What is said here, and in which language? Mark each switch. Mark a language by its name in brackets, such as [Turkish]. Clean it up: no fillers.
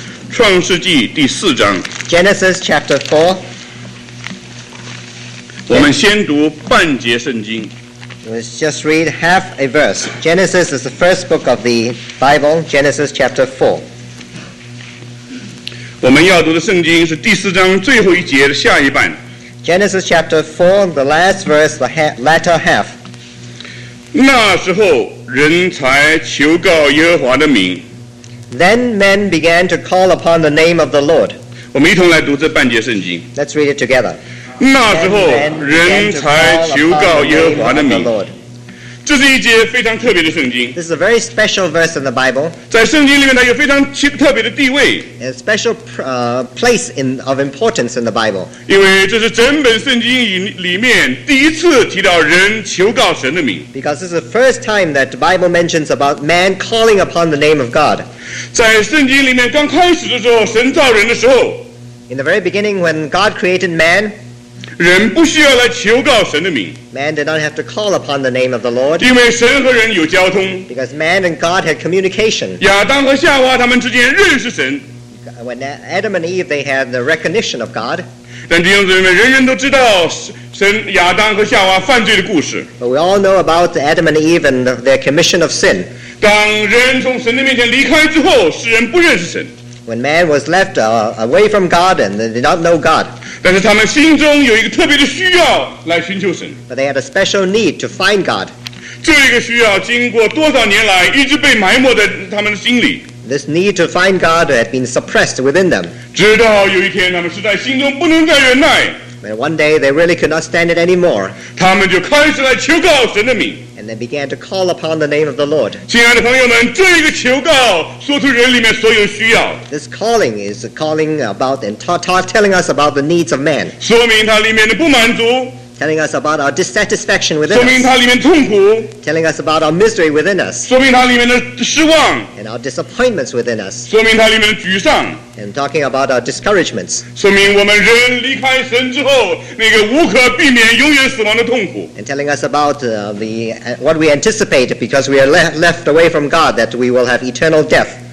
[Chinese] 创世纪第四章。 [English] Genesis chapter 4. [Chinese] 我们先读半节圣经。 [English] Let's just read half a verse. Genesis is the first book of the Bible, Genesis chapter 4. [Chinese] 我们要读的圣经是第四章最后一节的下一半。 [English] Genesis chapter 4, the last verse, the latter half. [Chinese] 那时候人才求告耶和华的名。 [English] Then men began to call upon the name of the Lord. [Chinese] 我们一同来读这半节圣经。 [English] Let's read it together. [Chinese] 那时候人才求告耶和华的名。这是一节非常特别的圣经。 [English] This is a very special verse in the Bible. [Chinese] 在圣经里面它有非常特别的地位。 [English] A special place of importance in the Bible. [Chinese] 因为这是整本圣经里面第一次提到人求告神的名。 [English] Because this is the first time that the Bible mentions about man calling upon the name of God. [Chinese] 在圣经里面刚开始的时候，神造人的时候。 [English] In the very beginning when God created man. [Chinese] 人不需要来求告神的名。 [English] Man did not have to call upon the name of the Lord. [Chinese] 因为神和人有交通。 [English] Because man and God had communication. [Chinese] 亚当和夏娃他们之间认识神。 [English] When Adam and Eve they had the recognition of God. [Chinese] 但弟兄姊妹们，人人都知道神亚当和夏娃犯罪的故事。 [English] But we all know about Adam and Eve and their commission of sin. [Chinese] 当人从神的面前离开之后，世人不认识神。 [English] When man was left away from God and they did not know God. [Chinese] 但是他们心中有一个特别的需要来寻求神。 [English] But they had a special need to find God. [Chinese] 这个需要经过多少年来一直被埋没在他们的心里。 [English] This need to find God had been suppressed within them. [Chinese] 直到有一天他们实在心中不能再忍耐。 [English] But one day they really could not stand it anymore. [Chinese] 他们就开始来求告神的名。 [English] And they began to call upon the name of the Lord. [Chinese] 亲爱的朋友们，这个求告说出人里面所有需要。 [English] This calling is a calling about and telling us about the needs of man. [Chinese] 说明它里面的不满足。 [English] Telling us about our dissatisfaction within us. [Chinese] 说明它里面痛苦。 [English] Telling us about our misery within us. [Chinese] 说明它里面的失望。 [English] And our disappointments within us. [Chinese] 说明它里面的沮丧。 [English] And talking about our discouragements. [Chinese] 说明我们人离开神之后，那个无可避免永远死亡的痛苦。 [English] And telling us about what we anticipate because we are left away from God, that we will have eternal death.